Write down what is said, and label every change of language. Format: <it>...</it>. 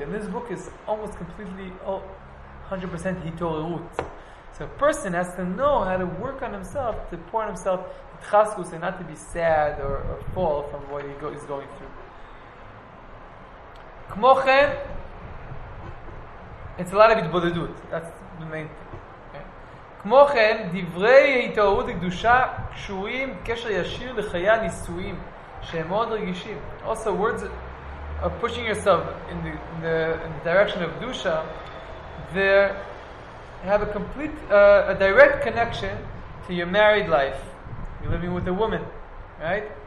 <en>And this book is almost completely 100% itorerut. So a person has to know how to work on himself, to pour on himself itchazkus and not to be sad or fall from what he is going through.</en> <he>כמו כן,</he> <en>it's a lot of התבודדות. That's the main thing.</en> <he>כמו כן, דברי התעוררות לקדושה קשורים קשר ישיר לחיי הנישואים שהם מאוד רגישים.</he> <en>Also, words of pushing yourself in the direction of kedusha, they have a complete a direct connection to your married life. You're living with a woman, right?</en>